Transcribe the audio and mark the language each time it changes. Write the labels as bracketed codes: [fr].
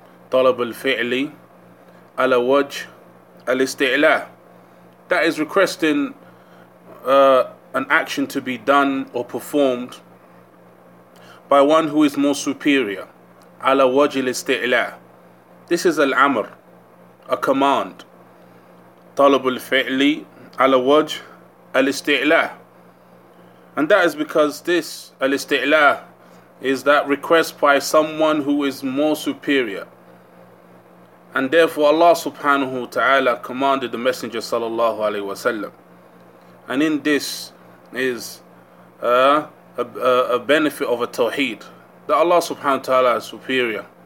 [ar] طلب الفعل على وجه الاستعلاء. [en] That is requesting an action to be done or performed by one who is more superior. [ar] على وجه الاستعلاء. [en] This is al-amr, a command. [ar] طلب الفعل على وجه الاستعلاء. [en] And that is because this الاستعلاء is that request by someone who is more superior. And therefore Allah subhanahu wa ta'ala commanded the Messenger sallallahu alayhi wa sallam. And in this is a benefit of a tawheed, that Allah subhanahu wa ta'ala is superior.